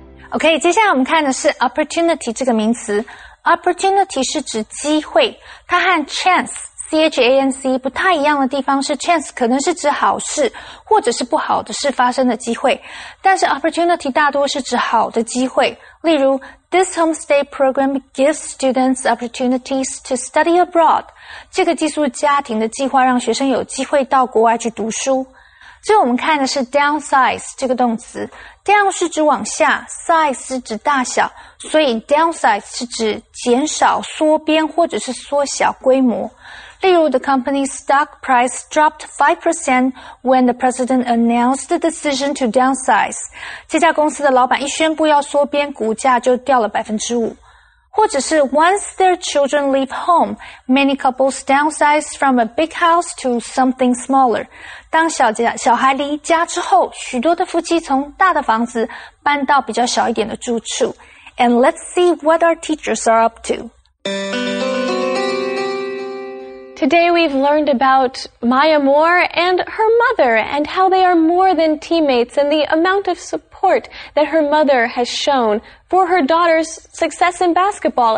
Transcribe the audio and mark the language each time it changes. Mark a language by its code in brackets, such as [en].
[zh] OK, 接下来我们看的是 opportunity 这个名词。Opportunity 是指机会。它和 chance, C-H-A-N-C, 不太一样的地方是 chance 可能是指好事或者是不好的事发生的机会。但是 opportunity 大多是指好的机会。例如 [en] This homestay program gives students opportunities to study abroad. [zh] 这个寄宿家庭的计划让学生有机会到国外去读书。最后我们看的是 downsize 这个动词。Down 是指往下 ,size 是指大小。所以 downsize 是指减少、缩编或者是缩小规模。例如 [en] the company's stock price dropped 5% when the president announced the decision to downsize. [zh] 这家公司的老板一宣布要缩编，股价就掉了 5%。或者是 [en] once their children leave home, many couples downsize from a big house to something smaller. [zh] 当小孩离家之后，许多的夫妻从大的房子搬到比较小一点的住处。 [en] And let's see what our teachers are up to. Today we've learned about Maya Moore and her mother and how they are more than teammates and the amount of support that her mother has shown for her daughter's success in basketball.